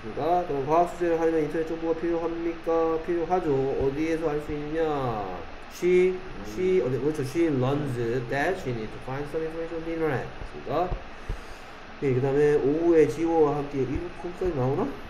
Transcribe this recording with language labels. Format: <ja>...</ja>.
<ko>그럼 과학 수제를 하려면 인터넷 정보가 필요합니까? 필요하죠. 어디에서 할 수 있냐? She 어디 그렇죠?</ko> <en>She learns that she needs to find some information on the internet.</en> <ko>그렇습니까? 네, 그다음에 오후에 지호와 함께 이거 거기까지 나오나?</ko>